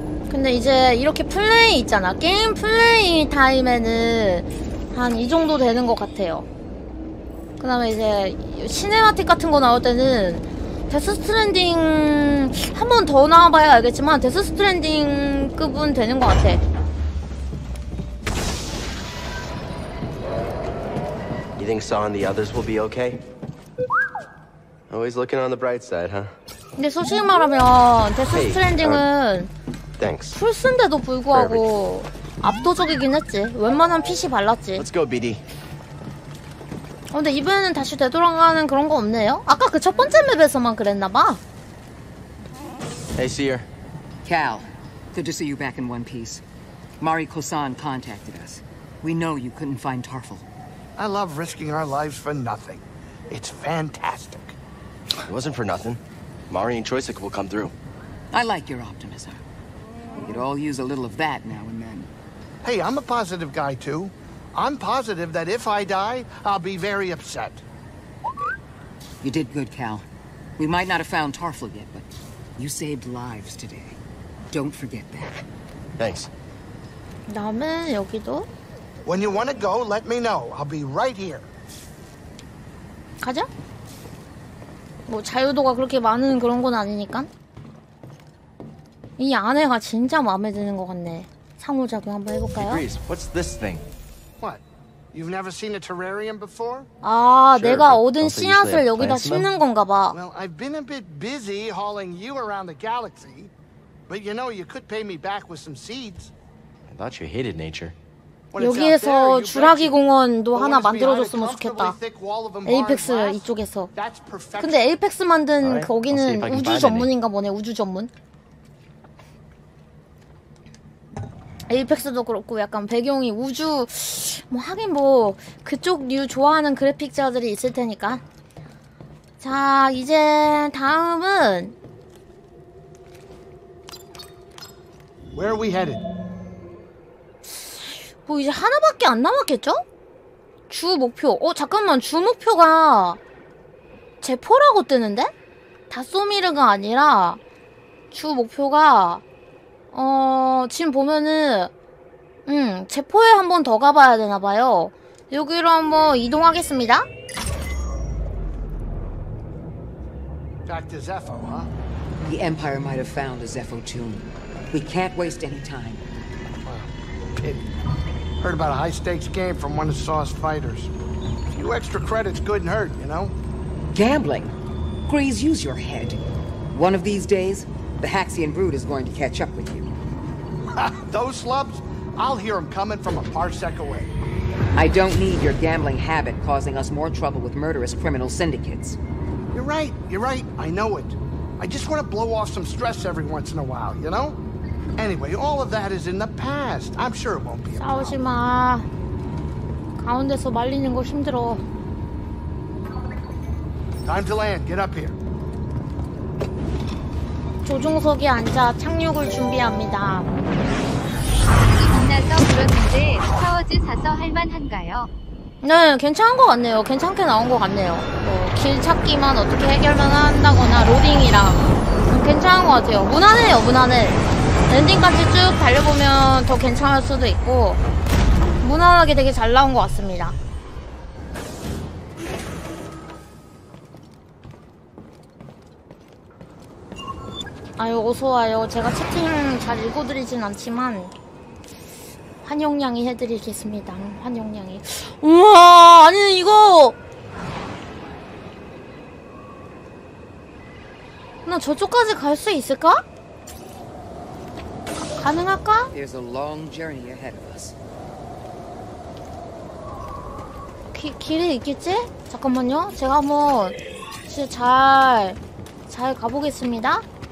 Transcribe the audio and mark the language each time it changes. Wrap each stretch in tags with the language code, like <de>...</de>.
<ko>근데 이제 이렇게 플레이 있잖아. 게임 플레이 타임에는 한 이 정도 되는 것 같아요. 그 다음에 이제 시네마틱 같은 거 나올 때는 데스 스트랜딩 한 번 더 나와봐야 알겠지만 데스 스트랜딩급은 되는 것 같아.</ko> <en>이 think Saw and the others will be okay? Always looking on the bright side, huh?</en> <ko>근데 솔직히 말하면 데스 스트랜딩은</ko> <en>thanks.</en> <ko>풀스인데도 불구하고 압도적이긴 했지. 웬만한 핏이 발랐지.</ko> <en>Let's go, BD.</en> <ko>근데 이번에는 다시 되돌아가는 그런 거 없네요? 아까 그 첫 번째 맵에서만 그랬나봐.</ko> <en>Hey, Seer. Cal, good to see you back in one piece. Mari-Kosan contacted us. We know you couldn't find Tarful. I love risking our lives for nothing. It's fantastic. It wasn't for nothing. Mari and Troisic will come through. I like your optimism. We could all use a little of that now and then. Hey, I'm a positive guy too. I'm positive that if I die, I'll be very upset. You did good, Cal. We might not have found Tarful yet, but you saved lives today. Don't forget that. Thanks.</en> <ko>다음에 여기도.</ko> <en>When you want to go, let me know. I'll be right here.</en> <ko>가자. 뭐 자유도가 그렇게 많은 그런 건 아니니까. 이 아내가 진짜 마음에 드는 것 같네. 상호작용 한번 해볼까요?</ko> <en>Hey, Breeze, what's this thing? You've never seen a terrarium before?</en> <ko>아, sure, 내가 얻은 씨앗을 여기다 심는 건가 봐.</ko> <en>Well, I've been a bit busy hauling you around the galaxy. But you know, you could pay me back with some seeds. I thought you hated nature.</en> <ko>여기에서 주라기 공원도 하나 만들어줬으면 좋겠다. 에이펙스 이쪽에서. 근데 에이펙스 만든 right. 거기는 우주 전문인가 보네, 우주 전문. 에이펙스도 그렇고 약간 배경이 우주 뭐 하긴 뭐 그쪽 류 좋아하는 그래픽자들이 있을 테니까. 자 이제 다음은</ko> <en>Where are we headed?</en> <ko>뭐 이제 하나밖에 안 남았겠죠? 주 목표. 어 잠깐만 주 목표가 제포라고 뜨는데? 다쏘미르가 아니라 주 목표가 어 지금 보면은 제포에 한 번 더 가봐야 되나 봐요. 여기로 한번 이동하겠습니다.</ko> <en>Back to Zepho, huh? The Empire might have found a Zepho tomb. We can't waste any time. Heard about a high-stakes game from one of Saw's fighters. A few extra credits couldn't hurt, you know? Gambling? Grease, use your head. One of these days, the Haxian brood is going to catch up with you. Those slubs? I'll hear them coming from a parsec away. I don't need your gambling habit causing us more trouble with murderous criminal syndicates. You're right, you're right. I know it. I just want to blow off some stress every once in a while, you know? Anyway, all of that is in the past. I'm sure it won't be a problem.</en> <ko>싸우지 마. 가운데서 말리는 거 힘들어.</ko> <en>Time to land. Get up here.</en> <ko>조종석에 앉아 착륙을 준비합니다. 겁나서 그러는데 스타워즈 사서 할만한가요? 네, 괜찮은 것 같네요. 괜찮게 나온 것 같네요. 뭐, 길 찾기만 어떻게 해결만 한다거나 로딩이랑 괜찮은 것 같아요. 무난해요, 무난해. 엔딩까지 쭉 달려보면 더 괜찮을 수도 있고 무난하게 되게 잘 나온 것 같습니다. 아유 어서와요. 제가 채팅 잘 읽어드리진 않지만 환영량이 해드리겠습니다. 환영량이. 우와 아니 이거 나 저쪽까지 갈 수 있을까? 가능할까?</ko> <en>There's a long journey ahead of us.</en> <ko>길이 있겠지? 잠깐만요. 제가 한번 진짜 잘 가보겠습니다.</ko>